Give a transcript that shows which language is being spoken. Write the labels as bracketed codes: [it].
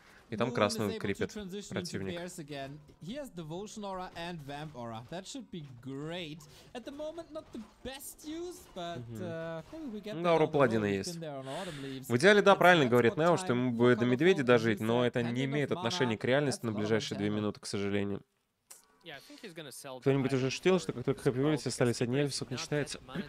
[ru] и там красную крепит противник. [en] He has Devotion Aura and Vamp Aura. That should be great. At the moment, not the best use, but maybe we get the... [ru] Да, аура Паладина есть. В идеале, да, правильно говорит Нео, что ему бы до медведя дожить, но это не имеет отношения к реальности на ближайшие две минуты, к сожалению. Кто-нибудь уже шутил, что как только хэппи вылетит, остались одни эльфы, не считается.